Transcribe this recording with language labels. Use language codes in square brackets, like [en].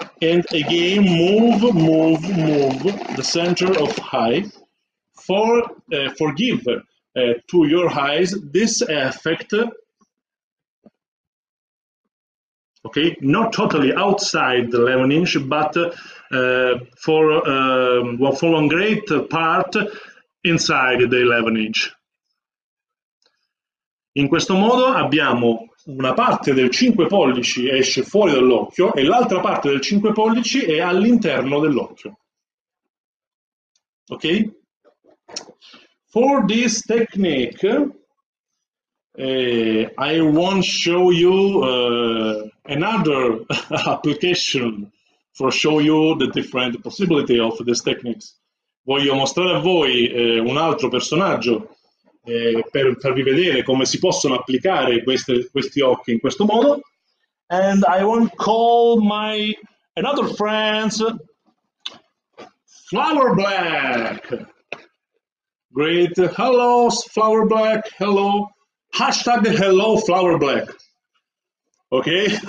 [en] And again, move the center of high for forgive to your eyes, this effect okay? Not totally outside the 11 inch, but for one great part inside the 11 inch. [it] In questo modo abbiamo una parte del 5 pollici esce fuori dall'occhio e l'altra parte del 5 pollici è all'interno dell'occhio. [en] Ok? For this technique, I want to show you another application for show you the different possibility of these techniques. [it] Voglio mostrare a voi un altro personaggio per farvi vedere come si possono applicare questi occhi in questo modo. [en] And I want to call my another friend, Flower Black. Great. Hello, Flower Black. Hello. Hashtag hello, Flower Black. Okay.